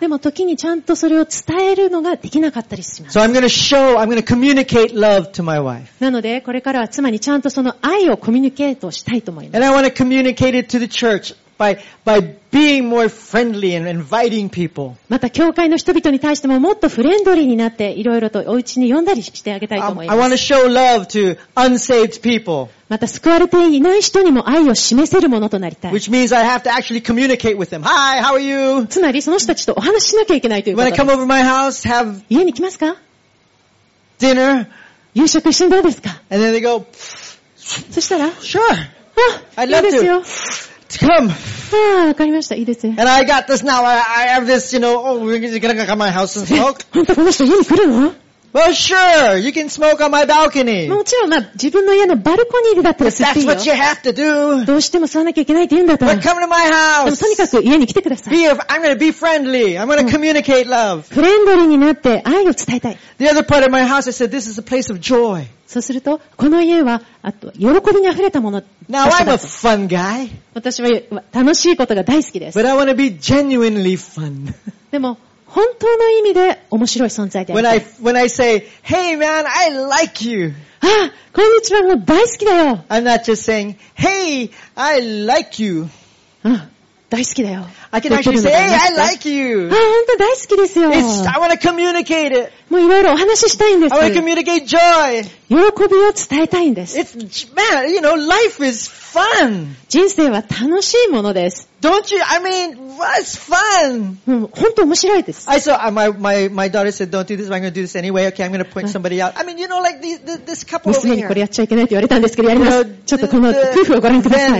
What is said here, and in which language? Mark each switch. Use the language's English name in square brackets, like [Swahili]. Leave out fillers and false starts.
[Japanese] でも時にちゃんとそれを伝えるのができなかったりします。 [English] So I'm going to communicate love to my wife. [Japanese] なのでこれからは妻にちゃんとその愛をコミュニケートしたいと思います。 [English] And I want to communicate it to the church. By being more friendly and inviting people. [Japanese] また教会の人々に対してももっとフレンドリーになっていろいろとお家に呼んだりしてあげたいと思います。 [English] I want to show love to unsaved people. [Japanese] また救われていない人にも愛を示せるものとなりたい。 [English] Which means I have to actually communicate with them. Hi, how are you? [Japanese] つまりその人たちとお話ししなきゃいけないということ。 [English] When I come over my house, have [Japanese] 家に来ますか [English] ？Dinner. [Japanese] 夕食一緒にどうですか [English] ？And then they go. [Japanese] そしたら [English] ？Sure. [Japanese] あ、いいですよ。 [English] come. [Japanese] ああ、わかりました。いいですね。 [English] And I got this now. I have this, you know, oh, we're gonna come to my house and smoke. [Japanese] 本当この人家に来るの？ [English] Well, sure. You can smoke on my balcony. [Japanese] もちろん、まあ、自分の家のバルコニーだったら吸っていいよ。 [English] That's what you have to do. [Japanese] どうしても吸わなきゃいけないって言うんだったら。 [English] But come to my house. [Japanese] でもとにかく家に来てください。 [English] I'm gonna be friendly. I'm gonna communicate love. [Japanese] フレンドリーになって愛を伝えたい。 [English] The other part of my house, I said, this is a place of joy. [Japanese] そうするとこの家はあと喜びにあふれたものだ [English] った。Now I'm a fun guy. [Japanese] 私は楽しいことが大好きです。 [English] But I want to be genuinely fun. [Japanese] でも本当の意味で面白い存在である。 [English] When I say, "Hey man, I like you." [Japanese] あ、こんにちは、もう大好きだよ。 [English] I'm not just saying, "Hey, I like you." [Japanese] 大好きだよ。 [English] I can actually say, "Hey, I like you." [Japanese] あ、本当大好きですよ。 [English] I want to communicate it. [Japanese] もういろいろお話ししたいんです。 [English] I want to communicate joy. [Japanese] 喜びを伝えたいんです。 [English] It's, man, you know, life is fun. [Japanese] 人生は楽しいものです。 [English] Don't you? I mean, it's fun. [Japanese] 本当面白いです。 [English] I saw my daughter said, "Don't do this. I'm going to do this anyway. Okay, I'm going to point somebody out." I mean, you know, like this couple over here. [Japanese] 娘にこれやっちゃいけないって言われたんですけど、やります。ちょっとこの夫婦をご覧ください。